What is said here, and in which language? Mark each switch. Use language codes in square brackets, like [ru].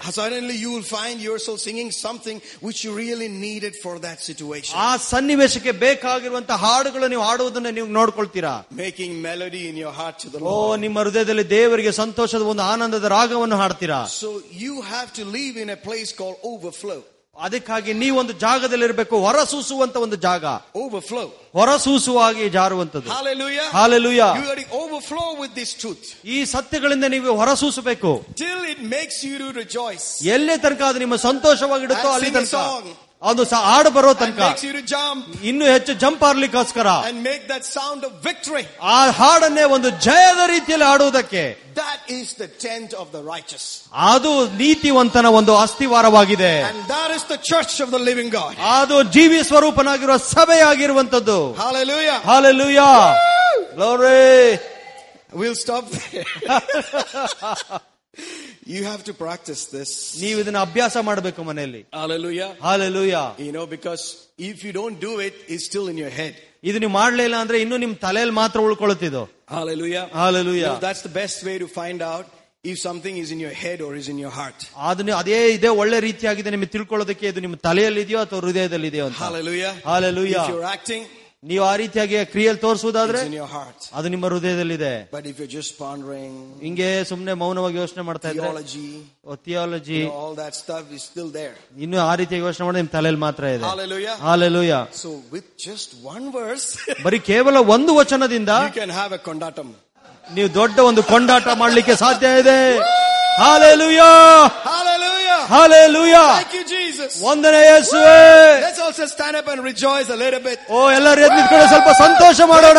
[en] Suddenly you will find yourself singing something which you really needed for that situation. [kn] ಆ ಸನ್ನಿವೇಶಕ್ಕೆ ಬೇಕಾಗಿರುವಂತಹ ಹಾಡುಗಳು ನೀವು ಹಾಡುವುದನ್ನ ನೀವು ನೋಡ್ಕೊಳ್ತೀರಾ [en] Making melody in your heart to the Lord. [kn] ಓ ನಿಮ್ಮ ಹೃದಯದಲ್ಲಿ ದೇವರಿಗೆ ಸಂತೋಷದ ಒಂದು ಆನಂದದ ರಾಗವನ್ನು ಹಾಡ್ತೀರಾ [en] So you have to live in a place called overflow. [kn] ಅದಕ್ಕಾಗಿ ನೀವು ಒಂದು ಜಾಗದಲ್ಲಿ ಇರಬೇಕು, ಹೊರಸೂಸುವಂತ ಒಂದು ಜಾಗ, [en] overflow, [kn] ಹೊರಸೂಸುವಾಗಿ ಜಾರುವಂತದ್ದು. [en] Hallelujah, hallelujah. You are overflow with this truth. [kn] ಈ ಸತ್ಯಗಳಿಂದ ನೀವು ಹೊರಸೂಸಬೇಕು. [en] Till it makes you rejoice. [kn] ಎಲ್ಲೇ ತನಕ ಅದು ನಿಮ್ಮ ಸಂತೋಷವಾಗಿಡುತ್ತೋ ಅಲ್ಲಿ ತನಕ, ಅದು ಹಾಡು ಬರೋ ತನಕ, ಇನ್ನು ಹೆಚ್ಚು jump ಆರ್ಲಿಕ್ಕೋಸ್ಕರ, [en] Make that sound of victory. [kn] ಆ ಹಾಡನ್ನೇ ಒಂದು ಜಯದ ರೀತಿಯಲ್ಲಿ ಹಾಡುವುದಕ್ಕೆ. [en] That is the tent of the riches. [kn] ಅದು ನೀತಿವಂತನ ಒಂದು ಅಸ್ಥಿವಾರವಾಗಿದೆ. [en] And that is the church of the living God. [kn] ಅದು ಜೀವಿ ಸ್ವರೂಪನಾಗಿರುವ ಸಭೆಯಾಗಿರುವಂತದ್ದು. [en] Hallelujah, hallelujah, glory. Will stop. You have to practice this. [kn] ನೀವು ಇದನ್ನು ಅಭ್ಯಾಸ ಮಾಡಬೇಕು ಮನೆಯಲ್ಲಿ. [en] Hallelujah. Hallelujah. You know, because if you don't do it, it's still in your head. [kn] ಇದು ನೀವು ಮಾಡಲಿಲ್ಲ ಅಂದ್ರೆ ಇನ್ನೂ ನಿಮ್ ತಲೆಯಲ್ಲಿ ಮಾತ್ರ ಉಳ್ಕೊಳ್ಳುತ್ತಿದ್ದು. [en] Hallelujah. Hallelujah. So that's the best way to find out if something is in your head or is in your heart. [kn] ಅದನ್ನು ಅದೇ ಇದೆ ಒಳ್ಳೆ ರೀತಿಯಾಗಿದೆ ನಿಮಗೆ ತಿಳ್ಕೊಳ್ಳೋದಕ್ಕೆ, ಇದು ನಿಮ್ಮ ತಲೆಯಲ್ಲಿದೆಯೋ ಅಥವಾ ಹೃದಯದಲ್ಲಿದೆಯೋ ಅಂತ. [en] Hallelujah. Hallelujah. If you're acting, [kn] ನೀವು ಆ ರೀತಿಯಾಗಿ ಕ್ರಿಯೆಯಲ್ಲಿ ತೋರಿಸುವುದಾದ್ರೆ ಅದು ನಿಮ್ಮ ಹೃದಯದಲ್ಲಿದೆ. [en] but if you just pondering, [kn] ಹಿಂಗೆ ಸುಮ್ನೆ ಮೌನವಾಗಿ ಯೋಚನೆ ಮಾಡ್ತಾ ಇದ್ರೆ, theology, [en] Theology, all that stuff is still there. [kn] ಇನ್ನು ಆ ರೀತಿಯಾಗಿ ಯೋಚನೆ ಮಾಡಿದ್ರೆ ನಿಮ್ ತಲೆಯಲ್ಲಿ ಮಾತ್ರ ಇದೆ. [en] Hallelujah. So with just one verse, [kn] ಬರೀ ಕೇವಲ ಒಂದು ವಚನದಿಂದ, [en] You can have a ಕೊಂಡಾಟಂ. [kn] ನೀವು ದೊಡ್ಡ ಒಂದು ಕೊಂಡಾಟ ಮಾಡಲಿಕ್ಕೆ ಸಾಧ್ಯ ಇದೆ. [en] Hallelujah, hallelujah. Thank you, Jesus. [kn] ವಂದನೆ ಯೇಸುವೆ. [en] Let's also stand up and rejoice a little bit. [kn] ಓ ಎಲ್ಲರೂ ಎದ್ದು ನಿಂತುಕೊಂಡು ಸ್ವಲ್ಪ ಸಂತೋಷ ಮಾಡೋಣ.